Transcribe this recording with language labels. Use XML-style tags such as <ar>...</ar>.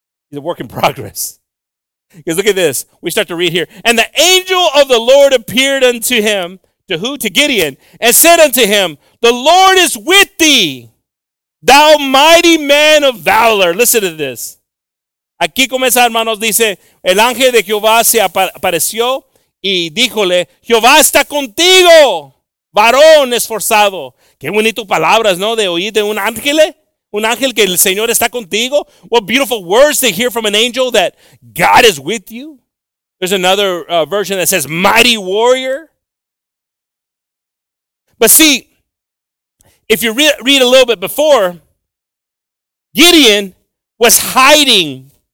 <en>He's a work in progress. Because look at this. We start to read here. And the angel of the Lord appeared unto him. To who? To Gideon. And said unto him, the Lord is with thee, thou mighty man of valor. Listen to this.</en> <es>Aquí comienza, hermanos, dice, el ángel de Jehová se apareció y díjole, Jehová está contigo, varón esforzado. Qué bonito palabras, ¿no? De oír de un ángel. Un ángel que el Señor está contigo.</es> <en>What beautiful words to hear from an angel that God is with you. There's another version that says mighty warrior. But see, if you read a little bit before, Gideon was hiding.</en>